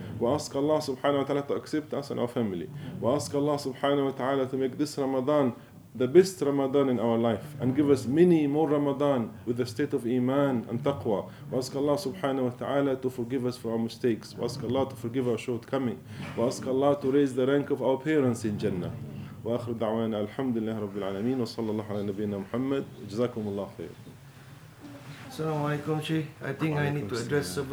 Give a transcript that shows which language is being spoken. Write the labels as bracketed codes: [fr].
[en] We ask Allah subhanahu wa ta'ala to accept us and our family. We ask Allah subhanahu wa ta'ala to make this Ramadan the best Ramadan in our life and give us many more Ramadan with the state of Iman and Taqwa. We ask Allah subhanahu wa ta'ala to forgive us for our mistakes. We ask Allah to forgive our shortcoming. We ask Allah to raise the rank of our parents in Jannah. [ar] وآخر دعوانا الحمد لله رب العالمين وصلى الله على نبينا محمد جزاكم الله خير. السلام عليكم شيخ. [en] I think I need to address